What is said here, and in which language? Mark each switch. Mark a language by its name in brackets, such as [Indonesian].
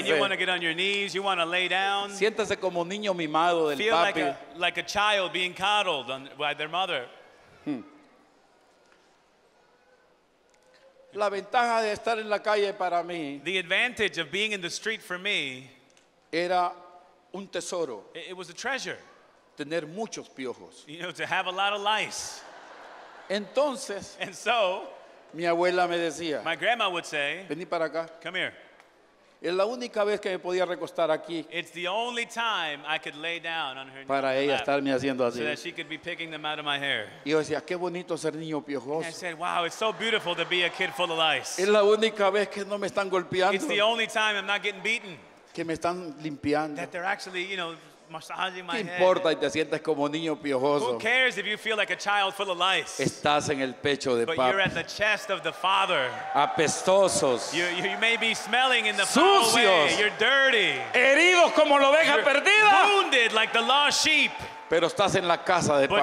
[English] If you want to get on your knees, you want to lay down. [Spanish] Siéntese como niño mimado del [English] feel [Spanish] papi. [English] Feel like a child being coddled on, by their mother. [Spanish] La ventaja de estar en la calle para mí. [English] The advantage of being in the street for me. [Spanish] Era un tesoro. [English] It was a treasure. [Spanish] Tener muchos piojos. [English] You know, to have a lot of lice. [Spanish] Entonces, [English] and so, [Spanish] mi abuela me decía, [English] my grandma would say, [Spanish] vení para acá. [English] Come here. [Spanish] Es la única vez que me podía recostar aquí. [English] It's the only time I could lay down on her [Spanish] para ella [English] lap, [Spanish] estarme haciendo así. [English] So that she could be picking them out of my hair. [Spanish] Y yo decía, qué bonito ser niño piojoso. [English] And I said, wow, it's so beautiful to be a kid full of lice. [Spanish] Es la única vez que no me están golpeando. [English] It's the only time I'm not getting beaten. [Spanish] Que me están limpiando. [English] That they're actually, you know, [Spanish] ¿qué importa si te sientes como niño piojoso? [English] Who cares if you feel like a child full of lice? [Spanish] Estás en el pecho de papá. [English] But you're at the chest of the father. [Spanish] Apestosos. [English] You may be smelling in the [Spanish] sucios. [English] Foul way. You're dirty. [Spanish] Heridos como la oveja [English] you're [Spanish] perdida. [English] Wounded like the lost sheep. [Spanish] Pero estás en la casa de [English] but